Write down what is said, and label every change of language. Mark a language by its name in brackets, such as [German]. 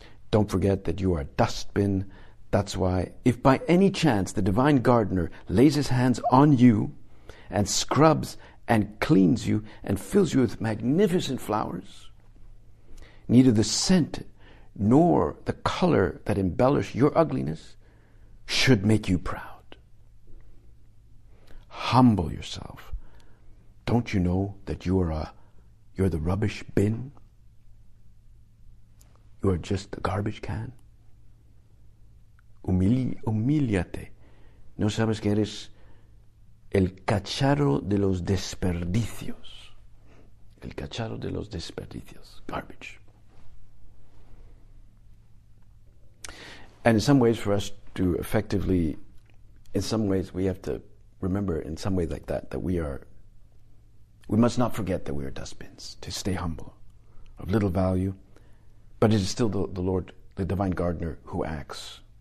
[English] Don't forget that you are a dustbin. That's why, if by any chance the divine gardener lays his hands on you and scrubs and cleans you and fills you with magnificent flowers, neither the scent nor the color that embellish your ugliness should make you proud. Humble yourself. Don't you know that you're the rubbish bin? You are just a garbage can. [Spanish] Humíliate. No sabes que eres el cacharro de los desperdicios. El cacharro de los desperdicios. [English] Garbage. And in some ways, for us to effectively, in some ways, we have to remember in some way like that, that we must not forget that we are dustbins, to stay humble, of little value. But it is still the Lord, the divine gardener, who acts.